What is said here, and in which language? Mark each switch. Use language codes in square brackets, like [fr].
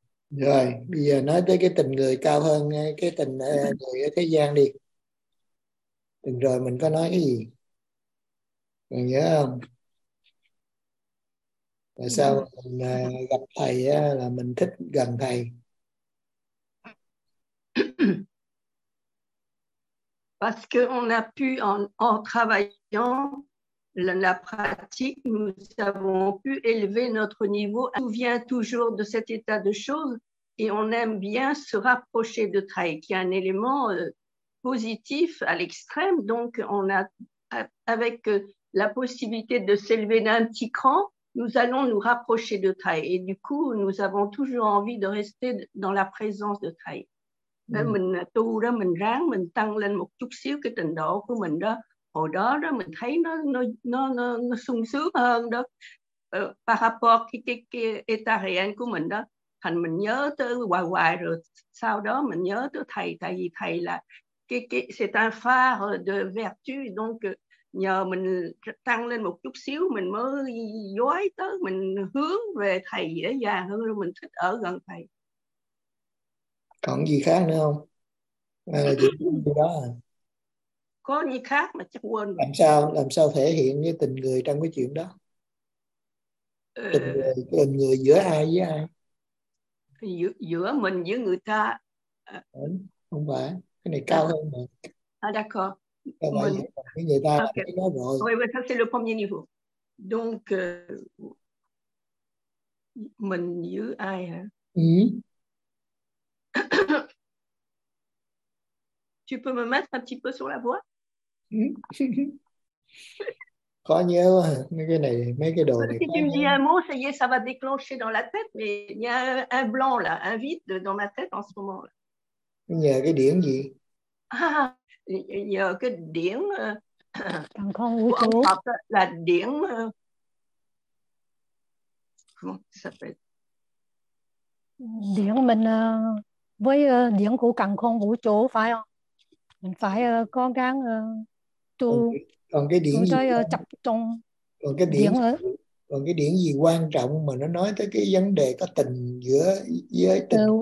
[vi] Rồi, bây giờ nói tới cái tình người cao hơn cái tình người ở thế gian đi. Từng rồi mình có nói cái gì? Còn nhớ không? Tại sao mình gặp thầy á, là mình thích gần thầy? [fr] Parce qu'on a pu, en travaillant la pratique, nous avons pu élever notre niveau. On vient toujours de cet état de choses et on aime bien se rapprocher de Thay, qui est un élément positif à l'extrême. Donc, on a, avec la possibilité de s'élever d'un petit cran, nous allons nous rapprocher de Thay. Et du coup, nous avons toujours envie de rester dans la présence de Thay. [vi] Mình tu đó, mình ráng mình tăng lên một chút xíu cái trình độ của mình đó, hồi đó đó mình thấy nó sung sướng hơn đó, [fr] par rapport [vi] cái [fr] état réel [vi] của mình đó, thành mình nhớ tới hoài hoài, rồi sau đó mình nhớ tới thầy, tại vì thầy là cái [fr] c'est un phare de vertu, [vi] donc nhờ mình tăng lên một chút xíu mình mới dõi tới, mình hướng về thầy dễ dàng hơn, rồi mình thích ở gần thầy. Còn gì khác nữa không? Hay là chỉ đó à? Có gì khác mà chắc quên rồi. Làm sao thể hiện cái tình người trong cái chuyện đó? Tình người giữa ai với ai? Giữa mình với người ta. Đúng, không phải, cái này cao hơn mà. [fr] À d'accord. [vi] Cái này mình, với người ta là okay. Cái đó rồi. [fr] Oui, ça c'est le premier niveau. [vi] Donc mình giữa ai hả? Ừ. [fr] Tu peux me mettre un petit peu sur la voie? [vi] Khó nhớ quá. Mấy cái đồ si này. [fr] Si tu me dis un mot, ça y est, ça va déclencher dans la tête. Mais il y a un blanc là, un vide dans ma tête en ce moment. [vi] Nhờ cái điểm gì? Ah, nhờ cái điểm thằng con vũ trụ. Là điểm [fr] comment ça s'appelle? [vi] Điểm mình với điểm của càn khôn vũ trụ, phải không? Mình phải cố gắng tu, còn cái điểm gì chập trong, còn cái điểm gì, còn cái điểm gì quan trọng mà nó nói tới cái vấn đề có tình giữa với tình,